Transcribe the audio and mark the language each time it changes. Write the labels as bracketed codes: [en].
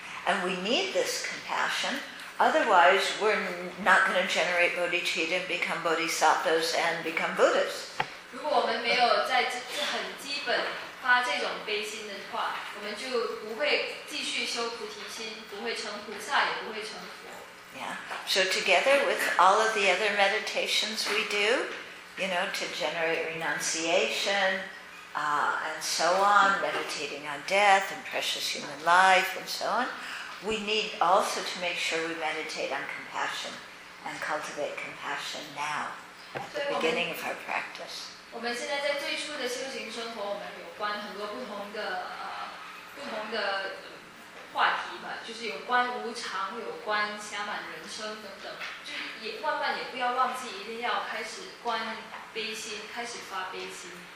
[en] And we need this compassion, otherwise we're not going to generate bodhicitta and become bodhisattvas and become Buddhas. [zh] 如果我们没有在这很基本。发这种悲心的话，我们就不会继续修菩提心，不会成菩萨，也不会成佛。 [en] Yeah. So together with all of the other meditations we do, you know, to generate renunciation, and so on, meditating on death and precious human life and so on, we need also to make sure we meditate on compassion and cultivate compassion now at the beginning of our practice. [zh] 我们现在在最初的修行生活，我们有关很多不同的话题吧，就是有关无常，有关相反人生等等，就也万万也不要忘记，一定要开始观悲心，开始发悲心。